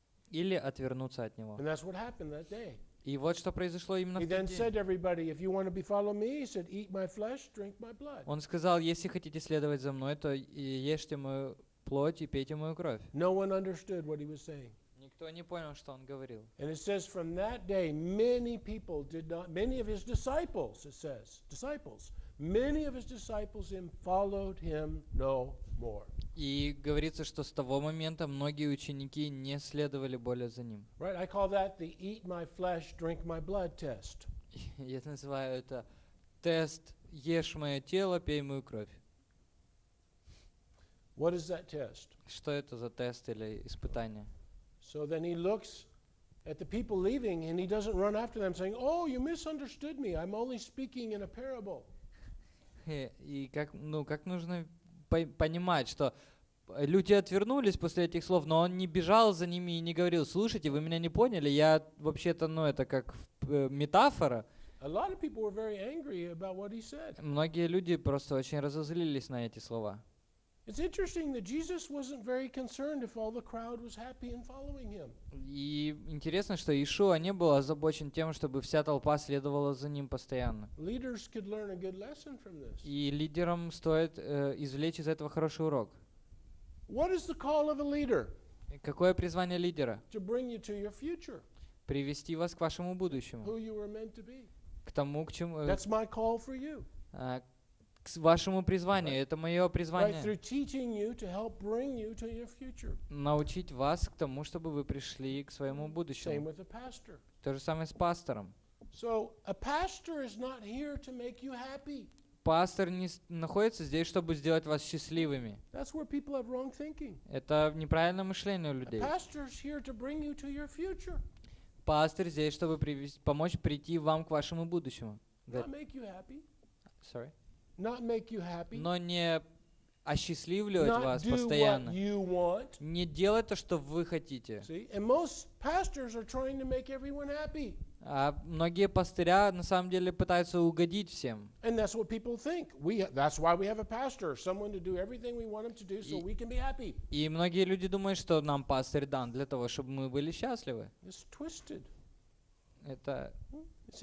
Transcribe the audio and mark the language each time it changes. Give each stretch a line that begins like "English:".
Russian: Или отвернуться от него.
English: And that's what happened that day.
Russian: И вот что произошло именно
English: he
Russian: в тот
English: said
Russian: день.
English: Everybody, if you want to be follow me, he said, eat my flesh, drink my blood.
Russian: Он сказал, если хотите следовать за мной, то ешьте мою плоть и пейте мою кровь.
English: No one understood what he was saying.
Russian: Никто не понял, что он говорил.
English: And it says from that day many people did not, many of his disciples, it says, disciples, many of his disciples followed him no more.
Russian: И говорится, что с того момента многие ученики не следовали более за ним.
English: Right, I call that the eat my flesh, drink my blood test.
Russian: Я называю это тест ешь мое тело, пей мою кровь.
English: What is that test?
Russian: Что это за тест или испытание?
English: So then he looks at the people leaving and he doesn't run after them saying, "Oh, you misunderstood me. I'm only speaking in a parable."
Russian: И как, ну, как нужно понимать, что люди отвернулись после этих слов, но он не бежал за ними и не говорил: "Слушайте, вы меня не поняли. Я вообще-то, ну, это как метафора."
English: A lot of people were very angry about what he said.
Russian: Многие люди просто очень разозлились на эти слова.
English: It's interesting that Jesus wasn't very concerned if all the crowd was happy and following him.
Russian: И интересно, что Иешуа не был озабочен тем, чтобы вся толпа следовала за ним постоянно.
English: Leaders could learn a good lesson from this.
Russian: И лидерам стоит извлечь из этого хороший урок.
English: What is the call of a leader?
Russian: Какое призвание лидера?
English: To bring you to your future.
Russian: Привести вас к вашему будущему.
English: Who you were meant to be.
Russian: К тому, к чему.
English: That's my call for you.
Russian: Вашему призванию. Right. Это мое призвание.
English: Right, through teaching you to help bring you to your future.
Russian: Научить вас к тому, чтобы вы пришли к своему будущему.
English: Same with a pastor.
Russian: То же самое с пастором.
English: So, a pastor is not here to make you happy.
Russian: Пастор не находится здесь, чтобы сделать вас счастливыми.
English: That's where people have wrong thinking.
Russian: Это неправильное мышление у людей.
English: A pastor is here to bring you to your future.
Russian: Пастор здесь, чтобы помочь прийти вам к вашему будущему.
English: Not make you happy. Sorry. Not make you happy.
Russian: Но не осчастливливать вас постоянно.
English: Not do what you want.
Russian: Не делать то, что вы хотите.
English: See? And most pastors are trying to make everyone happy.
Russian: А многие пастыря на самом деле пытаются угодить всем.
English: And that's what people think. That's why we have a pastor, someone to do everything we want him to do, so we can be happy.
Russian: И многие люди думают, что нам пастырь дан для того, чтобы мы были счастливы.
English: It's twisted. It's